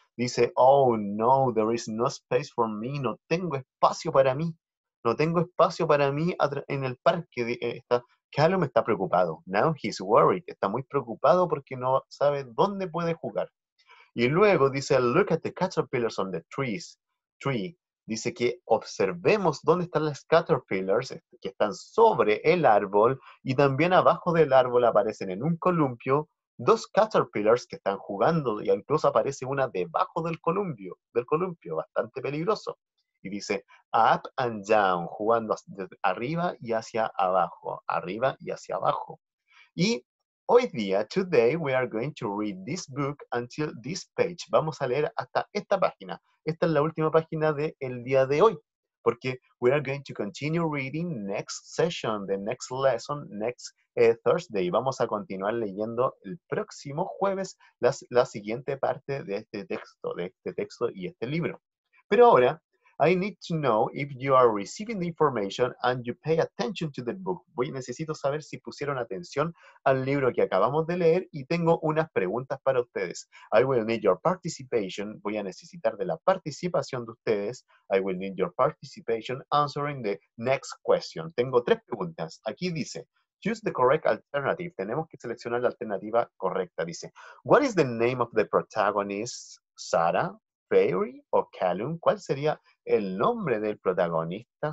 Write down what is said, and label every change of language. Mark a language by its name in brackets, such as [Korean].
[Spanish] Dice, [English] oh no, there is no space for me. [Spanish] No tengo espacio para mí. No tengo espacio para mí en el parque. Calum está preocupado. [English] Now he's worried. [Spanish] Está muy preocupado porque no sabe dónde puede jugar. Y luego dice, [English] look at the caterpillars on the trees. Tree. [Spanish] Dice que observemos dónde están las caterpillars que están sobre el árbol y también abajo del árbol aparecen en un columpio dos caterpillars que están jugando y incluso aparece una debajo del columpio, bastante peligroso. Y dice, [English] up and down, [Spanish] jugando desde arriba y hacia abajo, arriba y hacia abajo. Y hoy día, [English] today, we are going to read this book until this page. [Spanish] Vamos a leer hasta esta página. Esta es la última página del día de hoy, porque [English] we are going to continue reading next session, the next lesson, next Thursday. [Spanish] Vamos a continuar leyendo el próximo jueves la siguiente parte de este texto y este libro. Pero ahora, [English] I need to know if you are receiving the information and you pay attention to the book. [Spanish] Necesito saber si pusieron atención al libro que acabamos de leer y tengo unas preguntas para ustedes. [English] I will need your participation. [Spanish] Voy a necesitar de la participación de ustedes. [English] I will need your participation answering the next question. [Spanish] Tengo tres preguntas. Aquí dice, [English] choose the correct alternative. [Spanish] Tenemos que seleccionar la alternativa correcta. Dice, [English] what is the name of the protagonist, [Spanish] Sarah? Fairy o Callum, ¿cuál sería el nombre del protagonista?